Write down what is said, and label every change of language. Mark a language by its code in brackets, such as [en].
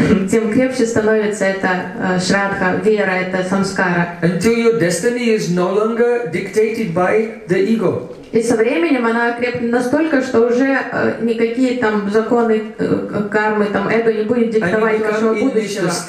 [ru] Тем крепче становится эта шрадха, вера, эта самскара. [en] Until your destiny is no longer dictated by the ego. [ru] И со временем она окрепнет настолько, что уже никакие там законы кармы, там эго не будет диктовать вашего будущего.